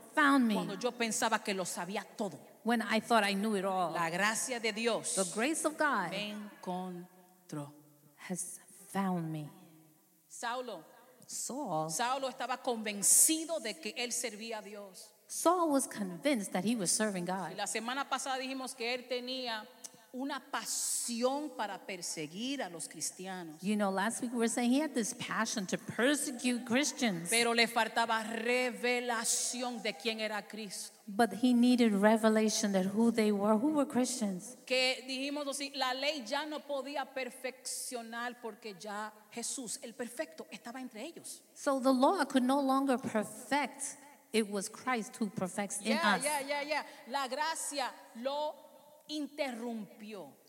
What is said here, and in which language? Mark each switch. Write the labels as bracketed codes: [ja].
[en] found me [es] cuando yo pensaba que lo sabía todo. [en] When I thought I knew it all, [es] la gracia de Dios, [en] the grace of God, [es] me encontró, [en] has found me. [es] Saulo, [en] Saul, [es] Saulo estaba convencido de que él servía a Dios. [en] Saul was convinced that he was serving God. [es] La semana pasada dijimos que él tenía una pasión para perseguir a los cristianos. [en] You know, last week we were saying he had this passion to persecute Christians. [es] Pero le faltaba revelación de quién era Cristo. [en] But he needed revelation that who they were, who were Christians. [es] Que dijimos así, la ley ya no podía perfeccionar porque ya Jesús, el perfecto, estaba entre ellos. [en] So the law could no longer perfect. It was Christ who perfects in yeah, us. [es] Yeah. La gracia lo interrumpió.